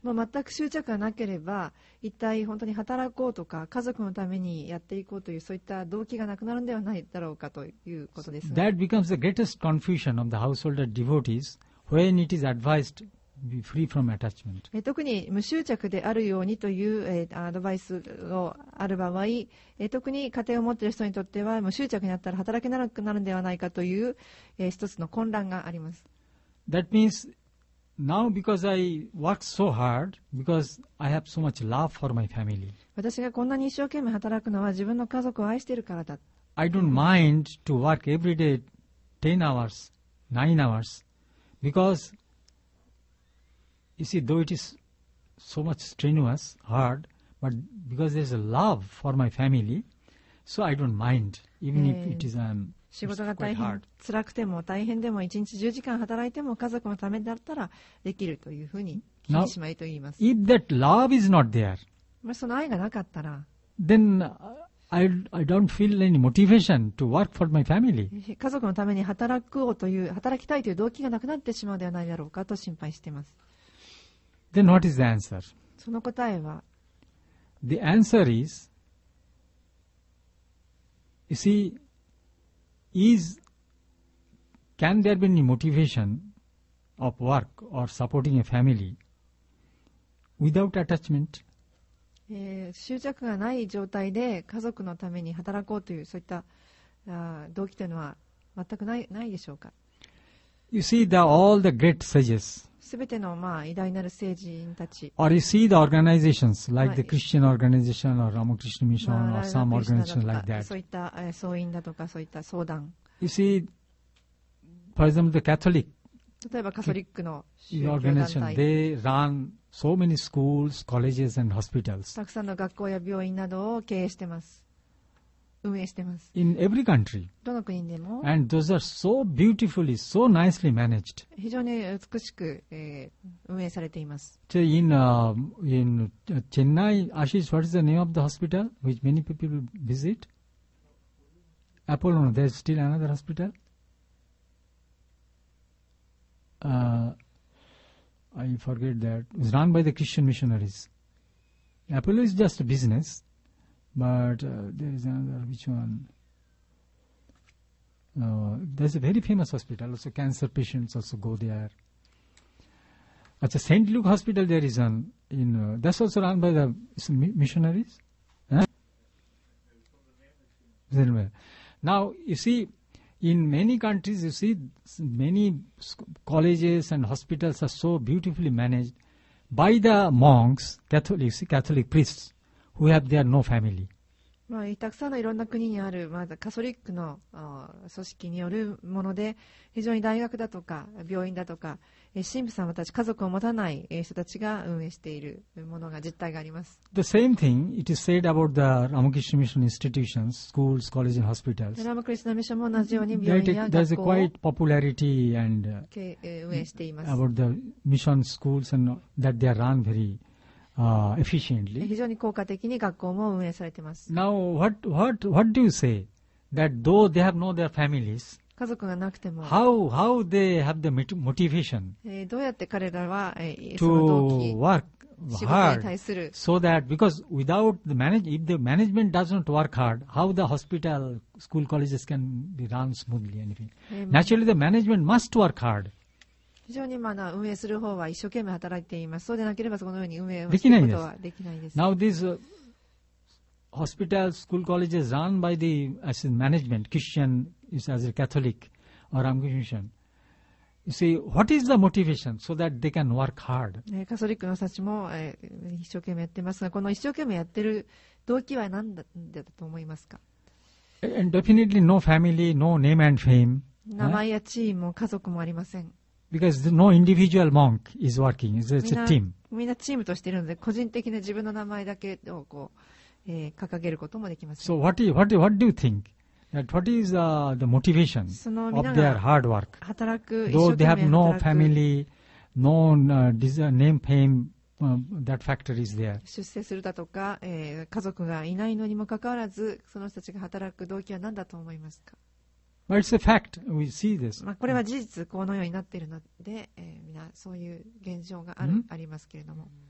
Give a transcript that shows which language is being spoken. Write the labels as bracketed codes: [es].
[ja] もう全く執着がなければ、一体本当に働こうとか家族のためにやっていこうというそういった動機がなくなるのではないだろうかということです。 [en] That becomes the greatest confusion of the householder devotees when it is advised. Be free from attachment. [ja] 特に無執着であるようにという、アドバイスがある場合、特に家庭を持っている人にとっては無執着になったら働けなくなるのではないかという、一つの混乱があります。 [en] That means now because I work so hard, because I have so much love for my family. [ja] 私がこんなに一生懸命働くのは自分の家族を愛しているからだ。 [en] I don't mind to work every day 10 hours, 9 hours, becauseYou see, though it is so much strenuous, hard, but because there is a love for my family, so I don't mind, even if it is quite hard. [ja] 仕事が大変、辛くても大変でも、一日10時間働いても家族のためだったらできるというふうに気にしまいと言います。 [en] Now, if that love is not there, [ja] まあその愛がなかったら、 [en] then I don't feel any motivation to work for my family. [ja] 家族のために働こうという、働きたいという動機がなくなってしまうではないだろうかと心配しています。 [en] Then what is the answer? [ja] その答えは? [en] The answer is, you see, can there be any motivation of work or supporting a family without attachment? [ja] 執着がない状態で家族のために働こうというそういった動機というのは全くないでしょうか? [en] You see, all the great sages, [ja] すべての、まあ、偉大なる政治人たち。 [en] Or you see the organizations like the Christian organization or Ramakrishna Mission or some organization like that. [ja] そういった総員だとかそういった相談。 [en] You see, for example, the Catholic. [ja] 例えばカトリックの宗教団体。 [en] They run so many schools, colleges, and hospitals. [ja] たくさんの学校や病院などを経営してます。運営してます。 [en] In every country. [ja] どの国でも。 [en] And those are so beautifully, so nicely managed. [ja] 非常に美しく、運営されています。 [en] So in Chennai, Ashish, what is the name of the hospital which many people visit? Apollo, there's still another hospital? I forget that. It's run by the Christian missionaries. Apollo is just a business, but there is another, which one? There's a very famous hospital. Also, cancer patients also go there. At the St. Luke Hospital, there is one. That's also run by the missionaries. Now, you see, in many countries, you see, many colleges and hospitals are so beautifully managed by the monks, Catholics, Catholic priests, who have their no family. [ja] たくさんのいろんな国にある、まあ、カソリックの組織によるもので、非常に大学だとか病院だとか、神父さんたち、家族を持たない人たちが運営しているものが実態があります。 [en] The same thing it is said about the Ramakrishna Mission institutions, schools, colleges, and hospitals. [ja] ラマクリシュナミッションも同じように病院や学校を [en] There's a quite popularity and [ja] 運営しています。 [en] About the mission schools and that they are run very efficiently. [ja] 非常に効果的に学校も運営されています。 [en] Now what do you say that though they have no their families? [ja] 家族がなくても [en] how they have the motivation [ja] どうやって彼らは、 [en] to work hard so that because without the management if the management does not work hard how the hospital school colleges can be run smoothly anything naturally the management must work hard [ja] 非常にまだ運営する方は一生懸命働いていますそうでなければそのように運営をすることはできないです [en] now this hospital school colleges run by the as in management Christian is as a Catholic or Ramakrishna Mission. You see, what is the motivation so that they can work hard? [ja] カソリックの人たちも一生懸命やってますが、この一生懸命やってる動機は何だと思いますか? [en] And definitely no family, no name and fame. [ja] 名前や地位も家族もありません。 [en] Because no individual monk is working. It's a team. [ja] みんなチームとしているので、個人的な自分の名前だけをこう、掲げることもできません。 [en] So what do you think? That what is the motivation of their hard work? Though they have no family, no name, fame, that factor is there. [ja] 出世するだとか、家族がいないのにもかかわらず、その人たちが働く動機は何だと思いますか? [en] Well, it's a fact. We see this. [ja] まあこれは事実このようになっているので、みんなそういう現状がある、ありますけれども。